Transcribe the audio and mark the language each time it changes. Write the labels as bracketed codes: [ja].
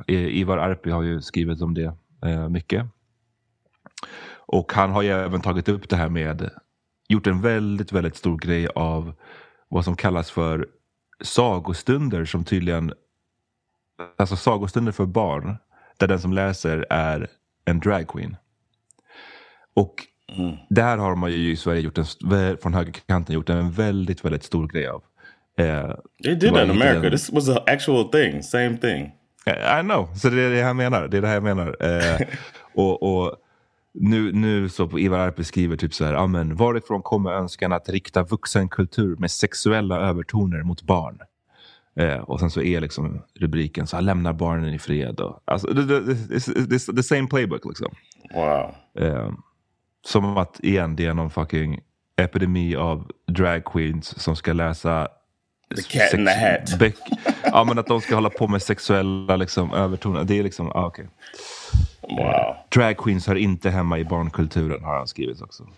[sv] Ivar Arpi har ju skrivit om det mycket. Och han har ju även tagit upp det här med, gjort en väldigt, väldigt stor grej av vad som kallas för sagostunder, som tydligen, alltså sagostunder för barn, där den som läser är en drag queen. Och där har man ju i Sverige gjort en, från högerkanten gjort en väldigt, väldigt stor grej av. [en] They did that in America. This was an actual thing. Same thing. I know. [sv] Så det är det jag menar. Det är det här jag menar. och nu så på Ivar Arpi skriver typ så här, amen, varifrån kommer önskan att rikta vuxenkultur med sexuella övertoner mot barn? Och sen så är liksom rubriken så här, lämnar barnen i fred. Och, alltså, [en] it's the same playbook [sv] liksom. [en] Wow. [sv] Som att igen, det är någon fucking epidemi av drag queens som ska läsa [en] The Cat in the Hat. [sv] Ja, men att de ska hålla på med sexuella liksom övertoner. Det är liksom, ah, okej. [en] Okay. Wow. [sv] Drag queens hör inte hemma i barnkulturen, har han skrivit också.